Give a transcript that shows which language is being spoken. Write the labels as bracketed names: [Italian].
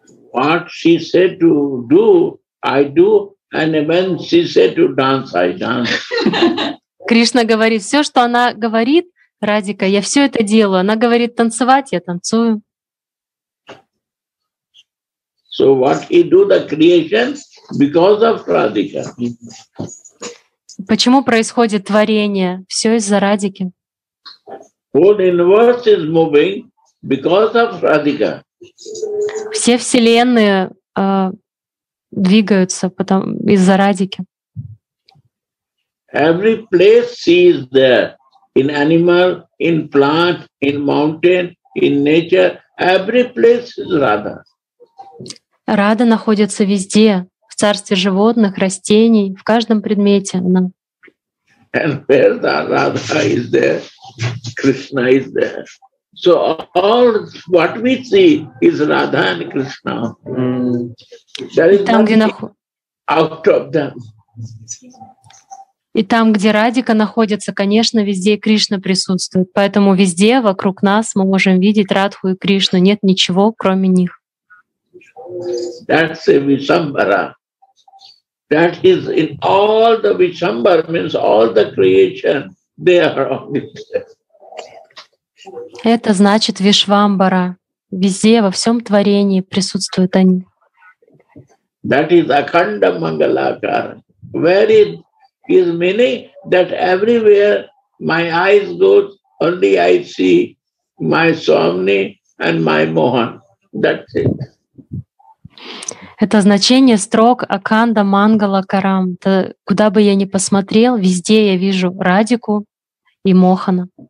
[English] What she said to do, I do, and when she said to dance, I dance. [Russian] Кришна говорит, все, что она говорит, Радика, я все это делаю. Она говорит, танцевать, я танцую. [English] So what he do, the creation? Because of Radhika. [Russian] Почему происходит творение? Все из-за Радики. [English] Whole universe is moving because of Radhika. [Russian] Все вселенные двигаются потом из-за Радики. [English] Every place she is there, in animal, in plant, in mountain, in nature, every place is Radha. [Russian] Рада находится везде. В царстве животных, растений, в каждом предмете она. [English] And where the Radha is there, Krishna is there. So all what we see is Radha and Krishna. Mm. There is nothing out of them. [Russian] И там, где Радика находится, конечно, везде Кришна присутствует. Поэтому везде вокруг нас мы можем видеть Радху и Кришну. Нет ничего, кроме них. [English] That's a Vishambara. That is in all the Vishambar means all the creation. They are on it. [Russian] Это значит Вишвамбара. Везде во всем творении присутствуют они. [English] That is Akhanda Mangalakara. Where it is meaning that everywhere my eyes go, only I see my Swami and my Mohan. That's it. [Russian] Это значение строк Аканда Мангала Карам. Это, куда бы я ни посмотрел, везде я вижу Радику и Мохана.